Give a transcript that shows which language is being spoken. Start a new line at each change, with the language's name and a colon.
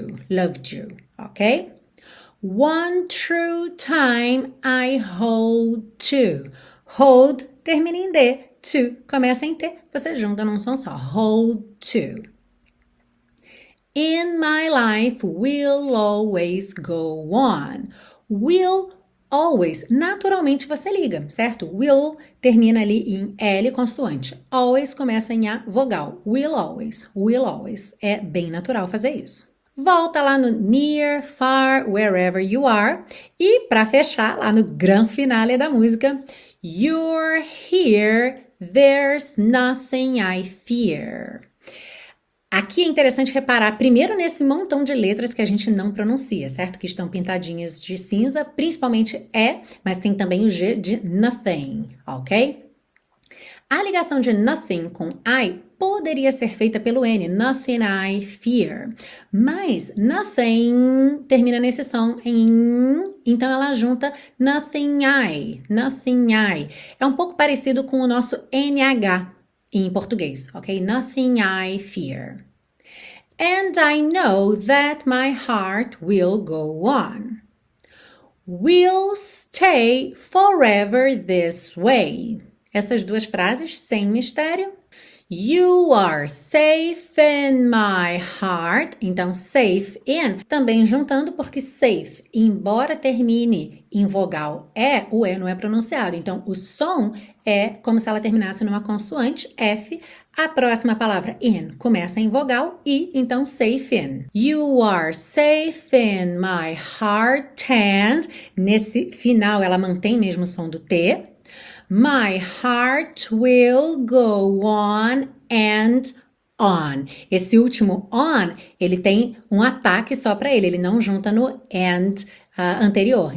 English: Loved you, ok? One true time I hold to.
Portuguese: Hold termina em D, to começa em T, você junta num som só.
English: Hold to. In my life, we'll always go on. Will always.
Portuguese: Naturalmente, você liga, certo? Will termina ali em L consoante. Always começa em A vogal.
English: Will always. Will always.
Portuguese: É bem natural fazer isso. Volta lá no near, far, wherever you are. E para fechar, lá no gran finale da música.
English: You're here, there's nothing I fear.
Portuguese: Aqui é interessante reparar primeiro nesse montão de letras que a gente não pronuncia, certo? Que estão pintadinhas de cinza, principalmente E, mas tem também o G de nothing, ok? A ligação de nothing com I poderia ser feita pelo N,
English: nothing I fear.
Portuguese: Mas nothing termina nesse som em, então ela junta nothing I, nothing I. É um pouco parecido com o nosso NH. Em português, ok?
English: Nothing I fear. And I know that my heart will go on. We'll stay forever this way.
Portuguese: Essas duas frases sem mistério.
English: You are safe in my heart.
Portuguese: Então, safe in. Também juntando porque safe, embora termine em vogal E, o E não é pronunciado. Então, o som é como se ela terminasse numa consoante, F. A próxima palavra, in, começa em vogal I. Então, safe in.
English: You are safe in my heart.
Portuguese: And, nesse final, ela mantém mesmo o som do T.
English: My heart will go on and on.
Portuguese: Esse último on, ele tem um ataque só para ele. Ele não junta no and anterior.